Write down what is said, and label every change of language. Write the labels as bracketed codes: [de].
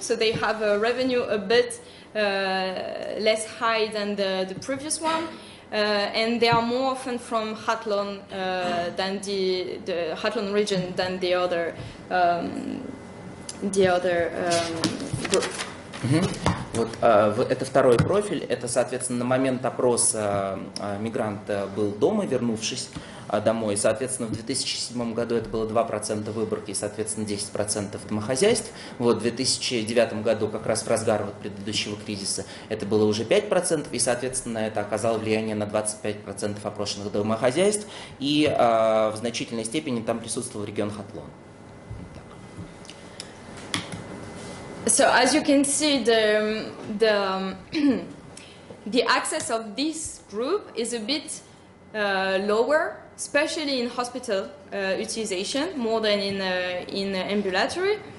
[en] So they have a revenue a bit less high than the previous one. And they are more often from Hatlon than the Hatlon region than the other group. [ru] Вот это второй профиль, это, соответственно, на момент опроса мигрант был дома, вернувшись домой. Соответственно, в 2007 году это было 2% выборки и, соответственно, 10% домохозяйств. Вот в 2009 году, как раз в разгар вот предыдущего кризиса, это было уже 5%, и, соответственно, это оказало влияние на 25% опрошенных домохозяйств, и в значительной степени там присутствовал регион Хатлон. [en] So as you can see, the access of this group is a bit lower, especially in hospital utilization, more than in ambulatory.